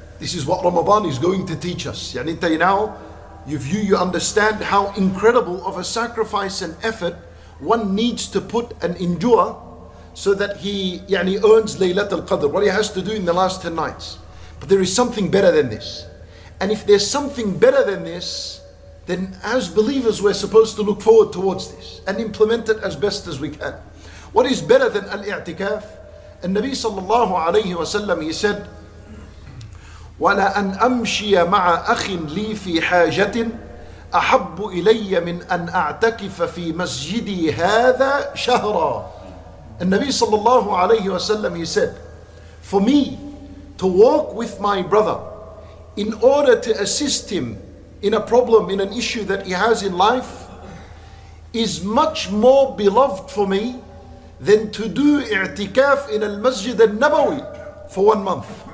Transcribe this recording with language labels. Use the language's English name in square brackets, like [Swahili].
[English] This is what Ramadan is going to teach us. Yani tell you now, you understand how incredible of a sacrifice and effort one needs to put and endure so that he yani earns Laylatul Qadr, what he has to do in the last 10 nights. But there is something better than this. And if there's something better than this, then as believers, we're supposed to look forward towards this and implement it as best as we can. What is better than al-i'tikaf? And Nabi sallallahu alayhi wa sallam, he said, [Arabic] وَلَا أَنْ أَمْشِيَ مَعَ أَخٍ لِي فِي حَاجَةٍ أَحَبُّ إِلَيَّ مِنْ أَنْ أَعْتَكِفَ فِي مَسْجِدِي هَذَا شَهْرًا. النبي صلى الله عليه وسلم, [English] he said, for me to walk with my brother in order to assist him in a problem, in an issue that he has in life, is much more beloved for me than to do i'tikaf in al-masjid al-nabawi for 1 month.